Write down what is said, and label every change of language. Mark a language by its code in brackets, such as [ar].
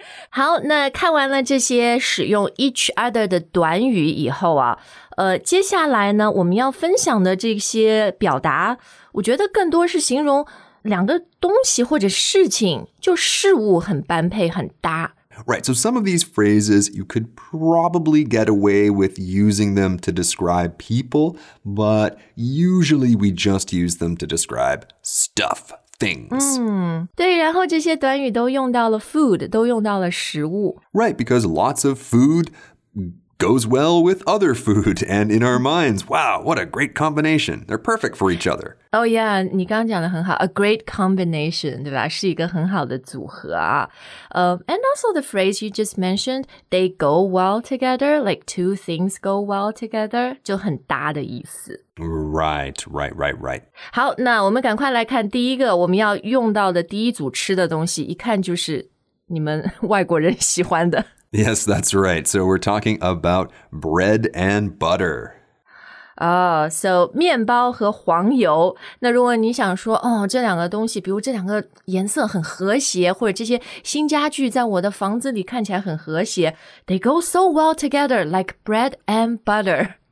[zh] 好，那看完了这些使用 each other 的短语以后啊，接下来呢，我们要分享的这些表达，我觉得更多是形容两个东西或者事情，就事物很般配，很搭。 [en] Right, so some of these phrases, you could probably get away with using them to describe people, but usually we just use them to describe stuff, things. [zh] 对，然后这些短语都用到了 food, 都用到了食物。 [en] Right, because lots of food goes well with other food, and in our minds, wow, what a great combination. They're perfect for each other. Oh yeah, [zh] 你刚刚讲的很好 [en] a great combination, [zh] 对吧是一个很好的组合啊。 [en] And also the phrase you just mentioned, they go well together, like two things go well together, [zh] 就很搭的意思。 [en] Right, right, right, right. [zh] 好那我们赶快来看第一个我们要用到的第一组吃的东西一看就是你们外国人喜欢的。 [en] Yes, that's right. So we're talking about bread and butter. [zh] Oh, so 面包和黄油。那如果你想说，哦，这两个东西，比如这两个颜色很和谐，或者这些新家具在我的房子里看起来很和谐 ， [en] they go so well together, like bread and butter.